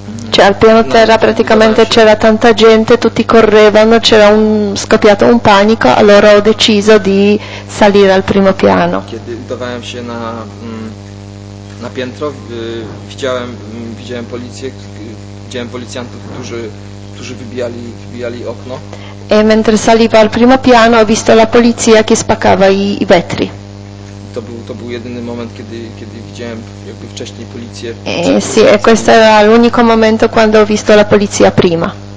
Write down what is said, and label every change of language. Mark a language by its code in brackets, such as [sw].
[it] Cioè al piano terra praticamente c'era tanta gente, tutti correvano, c'era scoppiato un panico, allora ho deciso di salire al primo piano. [pl] Kiedy udawałem się na piętro, widziałem policjantów, którzy wybijali okno. [it] E mentre saliva al primo piano ho visto la polizia che spaccava i vetri. [pl] To był jedyny moment, kiedy widziałem jakby wcześniej policję. [it] Sì, e questo era l'unico momento quando ho visto la polizia prima.